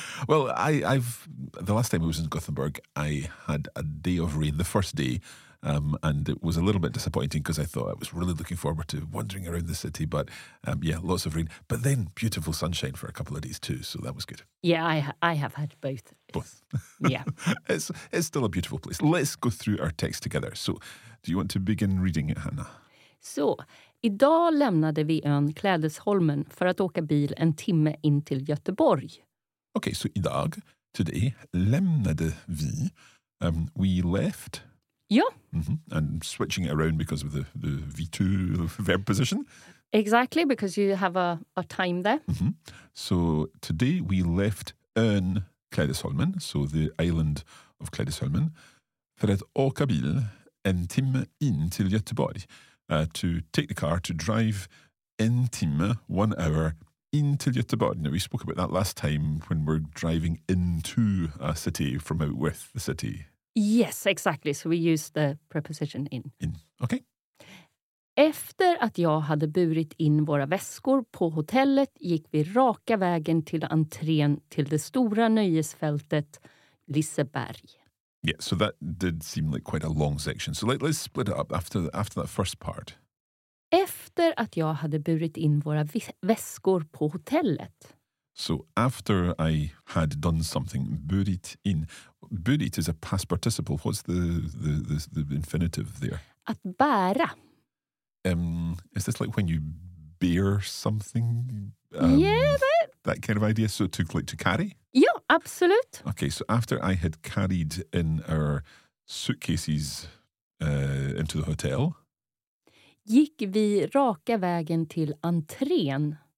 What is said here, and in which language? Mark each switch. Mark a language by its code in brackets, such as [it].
[en] Well, I've the last time I was in Gothenburg, I had a day of rain, the first day, and it was a little bit disappointing because I thought I was really looking forward to wandering around the city. But yeah, lots of rain. But then beautiful sunshine for a couple of days too, so that was good. Yeah, I have had both. Both. Yeah. It's still a beautiful place. Let's go through our text together. So do you want to begin reading it, Hannah? [sv] So, idag lämnade vi ön Klädesholmen för att åka bil en timme in till Göteborg. [en] Okay, so idag, today, lämnade vi, we left. Yeah. Mm-hmm. And switching it around because of the V2 verb position. Exactly, because you have a time there. Mm-hmm. So today we left ön Klädesholmen, so the island of Klädesholmen, för att åka bil en timme in till Göteborg. To take the car, to drive en timme, 1 hour, into Göteborg. Now, we spoke about that last time when we're driving into a city from out with the city. Yes, exactly. So we use the preposition in. In, okay. [sv] Efter att jag hade burit in våra väskor på hotellet gick vi raka vägen till entrén till det stora nöjesfältet Liseberg. [en] Yeah, so that did seem like quite a long section. So let's split it up after that first part. [sv] Efter att jag hade burit in våra väskor på hotellet. [en] So after I had done something, burit in. Burit is a past participle. What's the infinitive there? [sv] Att bära. [en] Is this like when you bear something? That kind of idea. So to carry? Yeah, absolute. Okay, so after I had carried in our suitcases into the hotel. [sv] Gick vi raka vägen till entrén.